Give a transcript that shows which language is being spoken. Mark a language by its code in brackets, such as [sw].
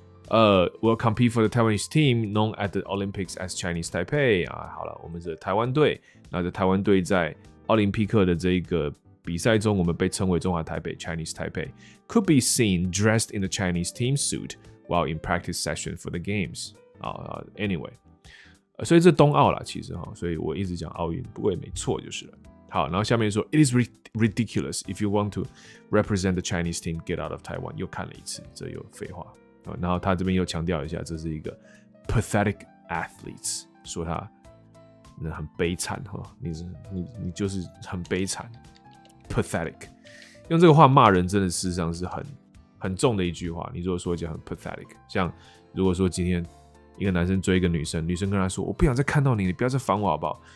[en] We'll compete for the Taiwanese team known at the Olympics as Chinese Taipei. [zh] 啊，好了，我们是台湾队。那这台湾队在奥林匹克的这个比赛中，我们被称为中华台北 Chinese Taipei. [en] Could be seen dressed in the Chinese team suit while in practice session for the games. [zh] Anyway, 所以这冬奥了，其实哈，所以我一直讲奥运，不过也没错就是了。好，然后下面说 [en] ，It is ridiculous if you want to represent the Chinese team, get out of Taiwan. [zh] 又看了一次，这又废话。然后他这边又强调一下，这是一个 [en] pathetic athletes， [zh] 说他很悲惨哈，你就是很悲惨 ，pathetic， 用这个话骂人真的事实上是很重的一句话。你如果说讲很 pathetic， 像如果说今天一个男生追一个女生，女生跟他说我不想再看到你，你不要再烦我好不好？